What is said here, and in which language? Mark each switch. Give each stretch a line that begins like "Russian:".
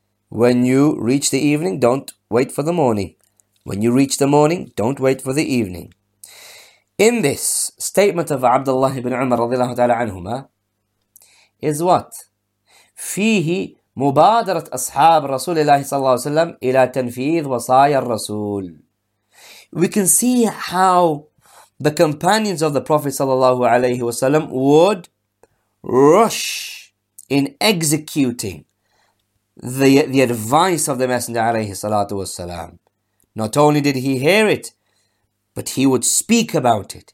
English: When you reach the evening, don't wait for the morning. When you reach the morning, don't wait for the evening. In this statement of Abdullah ibn Umar radiallahu ta'ala anhuma, is what?
Arabic: Fihi مبادرة أصحاب رسول الله صلى الله عليه وسلم إلى تنفيذ وصايا الرسول.
English: we can see how the companions of the Prophet sallallahu alaihi wasallam would rush in executing the advice of the Messenger alayhi salatu wasalam. Not only did he hear it, but he would speak about it.